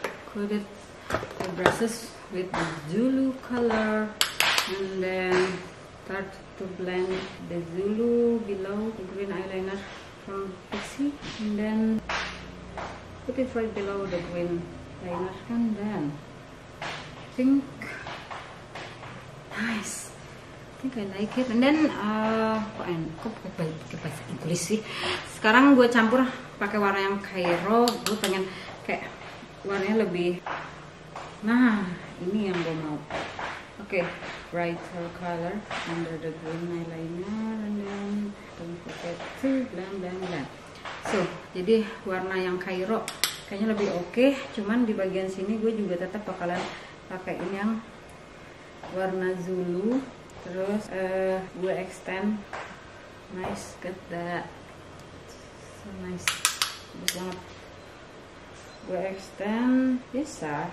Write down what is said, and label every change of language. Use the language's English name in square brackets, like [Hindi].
[English] Coated the brushes with the Zulu color and then start to blend the Zulu below the green eyeliner from Pixi, and then put it right below the green eyeliner, and then think nice. think I like it. And then [Indonesian] kok pakai bahasa Inggris sih? Sekarang gue campur pakai warna yang Cairo. Gue pengen kayak warnanya lebih. Nah, ini yang gue mau. [English] Okay, brighter color under the green eyeliner. And then don't forget to blend, blend, blend. [Indonesian] So, jadi warna yang Cairo kayaknya lebih oke. Cuman di bagian sini gue juga tetap bakalan pakai ini yang warna Zulu. Terus gue extend. [English] Nice, get that. So nice. [Indonesian] Bagus banget. Gue extend. Bisa.